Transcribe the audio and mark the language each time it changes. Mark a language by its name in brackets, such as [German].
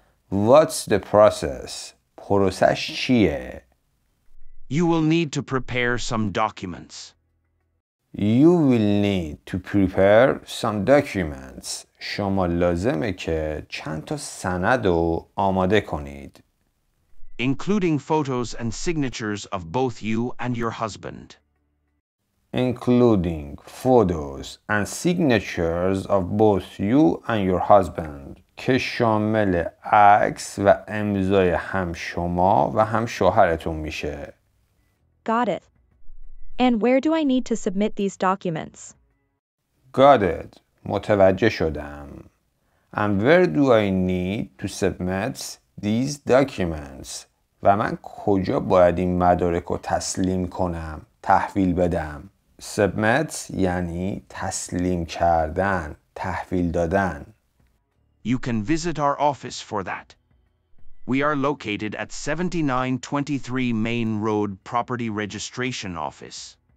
[English] What's the process? [Persian] پروسش چیه؟ [English] You will need to prepare some documents. You will need to prepare some documents. [Persian] شما لازمه که چند تا سند رو آماده کنید. [English] Including photos and signatures of both you and your husband. Including photos and signatures of both you and your husband. [Persian] که شامل عکس و امضای هم شما و هم شوهرتون میشه. [English] Got it. And where do I need to submit these documents? Got it. [Persian] متوجه شدم. [English] And where do I need to submit these documents? [Persian] و من کجا باید این مدارک رو تسلیم کنم، تحویل بدم؟ Submit یعنی تسلیم کردن، تحویل دادن. [English] You can visit our office for that. We are located at 7923 Main Road Property Registration Office.